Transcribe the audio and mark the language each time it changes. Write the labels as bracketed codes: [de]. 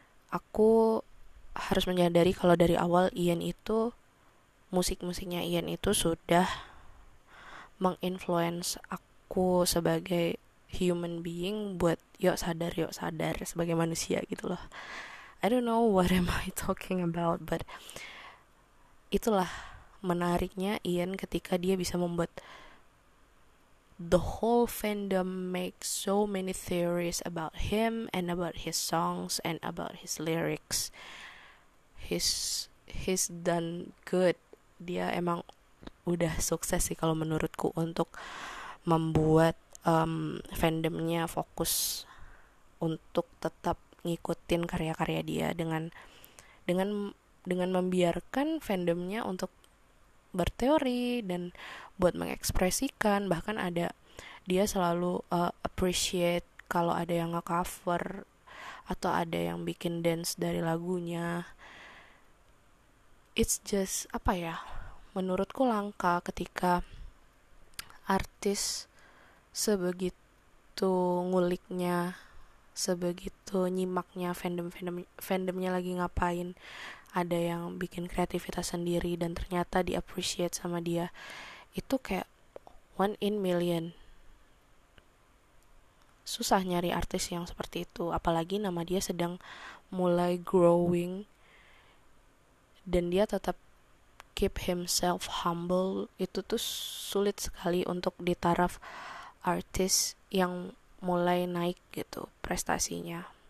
[id] aku harus menyadari kalau dari awal Ian itu, musik-musiknya Ian itu sudah menginfluence aku sebagai human being buat yuk sadar sebagai manusia gitu loh. [en] I don't know what am I talking about, but [id] itulah menariknya Ian ketika dia bisa membuat [en] the whole fandom make so many theories about him and about his songs and about his lyrics. He's done good. [id] Dia emang udah sukses sih kalau menurutku untuk membuat fandomnya fokus untuk tetap ngikutin karya-karya dia dengan membiarkan fandomnya untuk berteori dan buat mengekspresikan. Bahkan ada dia selalu appreciate kalau ada yang nge-cover atau ada yang bikin dance dari lagunya. [en] It's just [id] apa ya, menurutku langka ketika artis sebegitu nguliknya, sebegitu nyimaknya fandomnya lagi ngapain, ada yang bikin kreativitas sendiri dan ternyata di-appreciate sama dia. Itu kayak [en] one in million. [id] Susah nyari artis yang seperti itu, apalagi nama dia sedang mulai growing dan dia tetap [en] keep himself humble. [id] Itu tuh sulit sekali untuk ditaraf artis yang mulai naik gitu prestasinya.